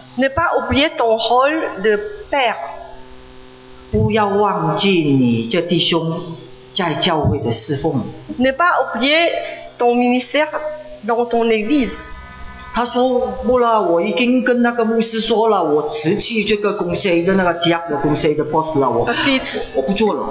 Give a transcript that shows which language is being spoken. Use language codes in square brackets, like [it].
[fr] Ne pas oublier ton rôle de père. [zh] 不要忘记你这弟兄在教会的侍奉。 [fr] Ne pas oublier ton ministère dans ton église. [zh] 他说不啦，我已经跟那个牧师说了，我辞去这个公司的那个家的公司的 boss 了，我不做了。